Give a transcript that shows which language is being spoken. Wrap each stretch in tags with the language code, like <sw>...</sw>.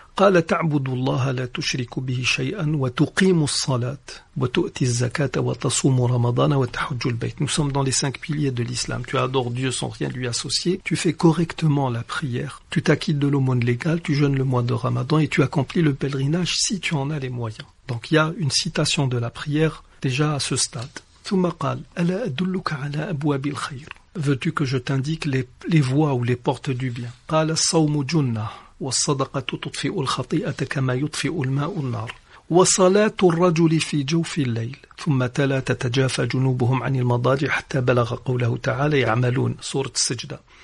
<ar>قَالَ تَعْبُدُ اللَّهَ لَا تُشْرِكُ بِهِ شَيْئًا وَتُقِيمُ الصَّلَاةَ وَتُؤْتِي الزَّكَاةَ وَتَصُومُ رَمَضَانَ وَتَحُجُّ الْبَيْتَ.</ar> <fr>Nous sommes dans les cinq piliers de l'islam. Tu adores Dieu sans rien lui associer. Tu fais correctement la prière. Tu t'acquittes de l'aumône légale. Tu jeûnes le mois de Ramadan et tu accomplis le pèlerinage si tu en as les moyens. Donc il y a une citation de la prière déjà à ce stade.</fr> <ar>ثُمَّ قَالَ أَلَا أَدُلُّكَ عَلَى أَبْوَابِ الْخَيْرِ.</ar> <fr>Veux-tu que je t'indique les voies ou les portes du bien ?</fr> <ar>قَالَ الصَّوْمُ جُنَّةٌ وَالصَّدَقَةُ تُطْفِئُ الْخَطِيئَةَ كَمَا يُطْفِئُ الْمَاءُ النَّارَ وَصَلَاتُ الرَّجُلِ فِي جَوْفِ اللَّيْلِ ثُمَّ تَلَا تَتَجَافَى جُنُوبُهُمْ عَنِ الْمَضَاجِعِ حَتَّى بَلَغَ قَوْلَهُ تَعَالَى يَعْمَلُونَ سُورَةُ السِّجْدَةِ.</ar>